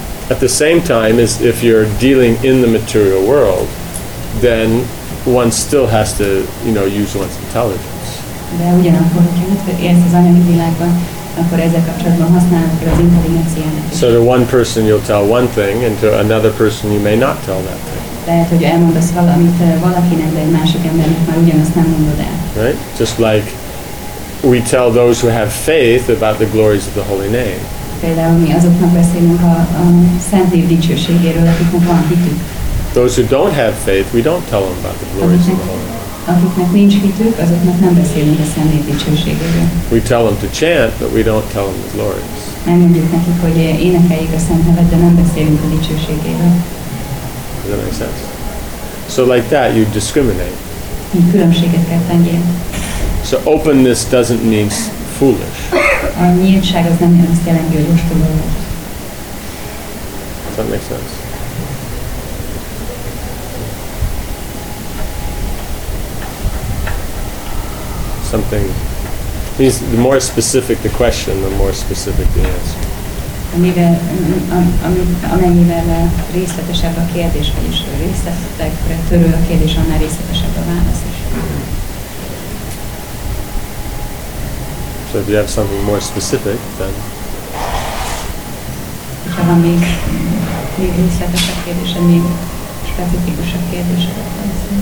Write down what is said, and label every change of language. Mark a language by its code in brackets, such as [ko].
[en] At the same time, is if you're dealing in the material world, then one still has to, you know, use one's intelligence. [hu] De ugyanakkor, hogyha mit érsz az anyagi világban, akkor ezzel kapcsolatban használnak az intelligenciának. [en] So to one person you'll tell one thing, and to another person you may not tell that thing. [hu] Lehet, hogy elmondasz valamit valakinek, de egy másik embernek már ugyanazt nem mondod el. [en] Right? Just like we tell those who have faith about the glories of the holy name. [hu] Például mi azoknak beszélünk a Szent Név dicsőségéről, akiknek van hitük. [en] Those who don't have faith, we don't tell them about the glories of the Holy One. [hu] Akiknek nincs hitük, azoknak nem beszélünk a szemét dicsőségéről. [en] We tell them to chant, but we don't tell them the glories. [hu] Elmondjuk nekik, hogy énekeljük a Szent Nevet, de nem beszélünk a dicsőségéről. [en] Does that make sense? So like that, you discriminate. [hu] Így különbséget kell tenniél. [en] So openness doesn't mean foolish. [hu] A nyíltság az nem azt jelenti, hogy ostoba vagy. [en] Does that make sense? Something means the more specific the question, the more specific the answer. [hu] Amennyivel részletesebb a kérdés, vagyis részletekre törő a kérdés, annál részletesebb a válasz is. [en] So if you have something more specific, then. [hu] Ha van még részletesebb kérdés, még specifikusabb kérdés, akkor.